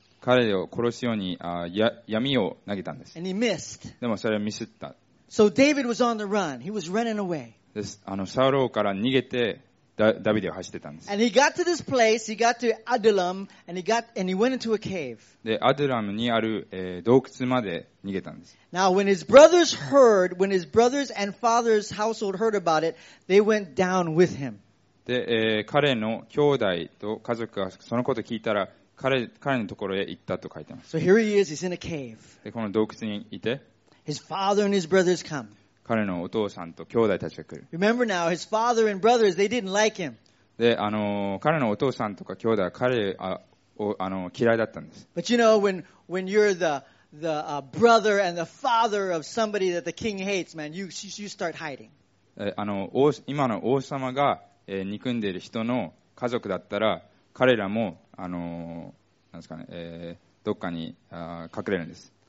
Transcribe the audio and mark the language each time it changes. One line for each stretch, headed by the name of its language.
Japanese: 彼を殺すように、闇を投げたんです。
English: And he missed.
Japanese: でもそれはミスった。
English: So David was on the run. He was running away.
Japanese: で、サウロ王から逃げて、ダビデは走ってたんです。
English: And he got to this place, he got to Adullam, and he went into a cave.
Japanese: で、アドラムにある、洞窟まで逃げたんです。
English: Now, when his brothers heard, when his brothers and father's household heard about it, they went down with him.
Japanese: で、彼の兄弟と家族がそのことを聞いたら、彼のところへ行ったと書いてます。
English: So here he is, he's in a cave.
Japanese: で、この洞窟にいて。
English: His father and his brothers come.
Japanese: 彼のお父さんと兄弟たちが来る。
English: Remember now, his father and brothers, they didn't like him.
Japanese: で、彼のお父さんとか兄弟は彼を嫌いだったんです。
English: But you know, when you're the brother and the father of somebody that the king hates, man, you start hiding.
Japanese: 今の王様が憎んでいる人の家族だったら、彼らも、なんですかね、どっかに隠れるんです。